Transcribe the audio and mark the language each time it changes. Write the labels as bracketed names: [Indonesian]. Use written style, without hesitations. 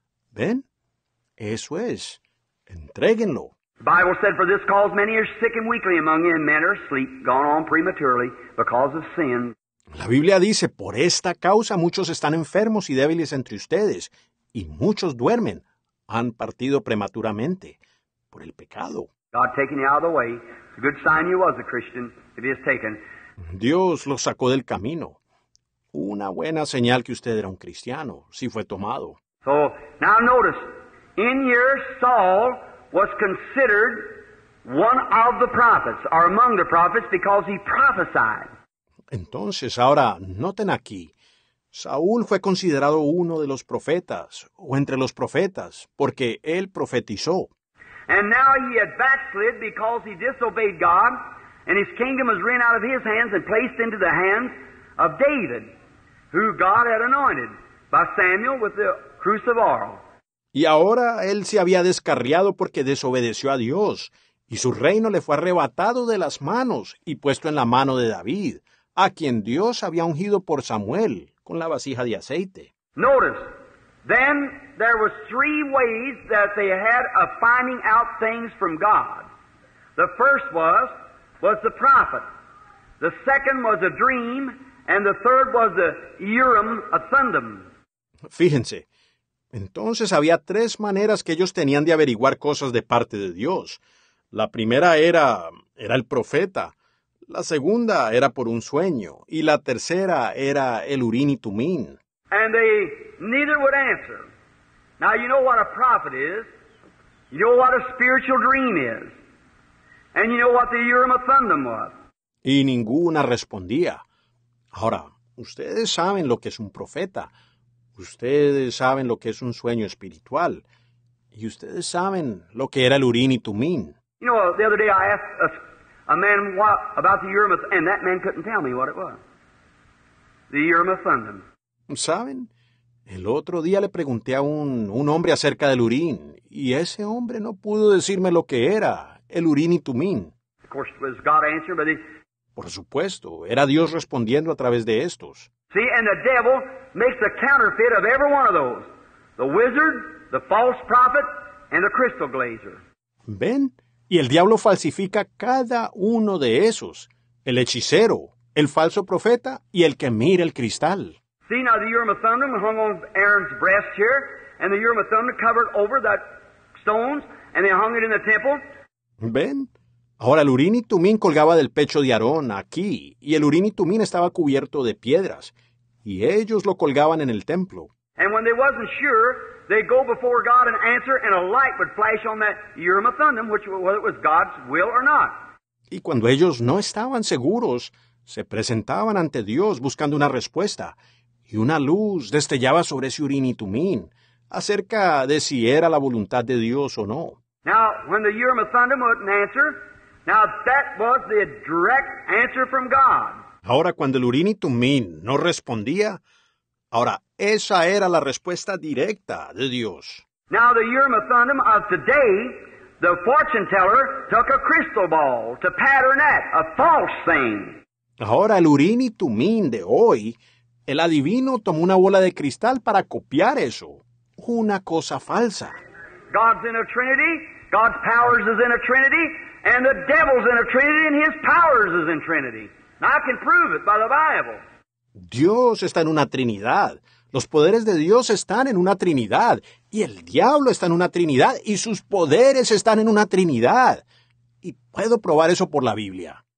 [Spanish] ¿Ven? Eso es. Entréguenlo. [English] The Bible said, for this cause many are sick and weakly among you, and men are asleep, gone on prematurely, because of sin. [Spanish] La Biblia dice, por esta causa muchos están enfermos y débiles entre ustedes, y muchos duermen, han partido prematuramente, por el pecado. [English] God taking you out of the way. It's a good sign you was a Christian, if he is taken. [Spanish] Dios los sacó del camino. Una buena señal que usted era un cristiano, si fue tomado. [English] So, now notice, in your soul was considered one of the prophets, or among the prophets, because he prophesied. [Spanish] Entonces, ahora, noten aquí. Saúl fue considerado uno de los profetas, o entre los profetas, porque él profetizó. [English] And now he had backslid because he disobeyed God, and his kingdom was rent out of his hands and placed into the hands of David, who God had anointed by Samuel with the cruse of oil. [Spanish] Y ahora él se había descarriado porque desobedeció a Dios, y su reino le fue arrebatado de las manos y puesto en la mano de David, a quien Dios había ungido por Samuel con la vasija de aceite. [English] Notice, then there were three ways that they had of finding out things from God. The first was the prophet, The second was a dream, and the third was a Urim, a Thummim. [Spanish] Fíjense, entonces había tres maneras que ellos tenían de averiguar cosas de parte de Dios. La primera era el profeta. La segunda era por un sueño. Y la tercera era el Urim y Tumim. [English] And they neither would answer. Now you know what a prophet is. You know what a spiritual dream is. And you know what the Urim and Thummim was. [Spanish] Y ninguna respondía. Ahora, ustedes saben lo que es un profeta. Ustedes saben lo que es un sueño espiritual. Y ustedes saben lo que era el Urim y Tumim. [English] You know, the other day I asked a man what, about the Urim, and that man couldn't tell me what it was. The Urim and Thummim. [Spanish] ¿Saben? El otro día le pregunté a un hombre acerca del Urim, y ese hombre no pudo decirme lo que era, el Urim y Tumim. [English] Of course, it was God answering, but [Spanish] por supuesto, era Dios respondiendo a través de estos. [English] See, and the devil makes a counterfeit of every one of those. The wizard, the false prophet, and the crystal glazer. [Spanish] ¿Ven? Y el diablo falsifica cada uno de esos. El hechicero, el falso profeta y el que mira el cristal. [English] See, now the Urim and Thummim hung on Aaron's breast here, and the Urim and Thummim covered over that stones, and they hung it in the temple. [Spanish] ¿Ven? Ahora, el Urim y Tumim colgaba del pecho de Aarón aquí, y el Urim y Tumim estaba cubierto de piedras, y ellos lo colgaban en el templo. [English] And when they wasn't sure, they'd go before God and answer, and a light would flash on that Urim and Thummim, whether it was God's will or not. [Spanish] Y cuando ellos no estaban seguros, se presentaban ante Dios buscando una respuesta, y una luz destellaba sobre ese Urim y Tumim, acerca de si era la voluntad de Dios o no. [English] Now, when the Urim and Thummim wouldn't answer, now that was the direct answer from God. [Spanish] Ahora, cuando el Urim y Tumim no respondía, ahora, esa era la respuesta directa de Dios. [English] Now, the Urim and Thummim of today, the fortune teller took a crystal ball to pattern that, a false thing. [Spanish] Ahora, el Urim y Tumim de hoy, el adivino tomó una bola de cristal para copiar eso. Una cosa falsa. [English] God's in a trinity, God's powers is in a trinity, and the devil's in a trinity, and his powers is in trinity. And I can prove it by the Bible. [Spanish] Dios está en una trinidad. Los poderes de Dios están en una trinidad. Y el diablo está en una trinidad, y sus poderes están en una trinidad. Y puedo probar eso por la Biblia.